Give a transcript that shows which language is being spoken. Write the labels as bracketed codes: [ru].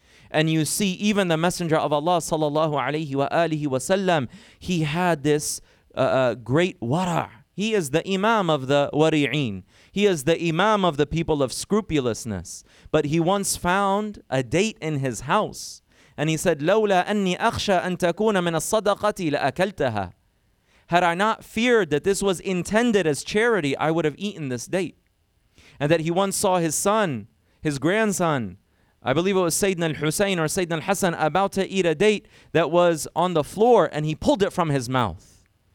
[en] And you see, even the Messenger of Allah sallallahu alayhi wa alihi wa sallam, he had this great wara'. He is the imam of the wari'een. He is the imam of the people of scrupulousness. But he once found a date in his house. And he said, [ar] لولا أني أخشى أن تكون من الصدقة لأكلتها. [en] Had I not feared that this was intended as charity, I would have eaten this date. And that he once saw his son, his grandson, I believe it was Sayyidina al-Husayn or Sayyidina al-Hasan, about to eat a date that was on the floor, and he pulled it from his mouth.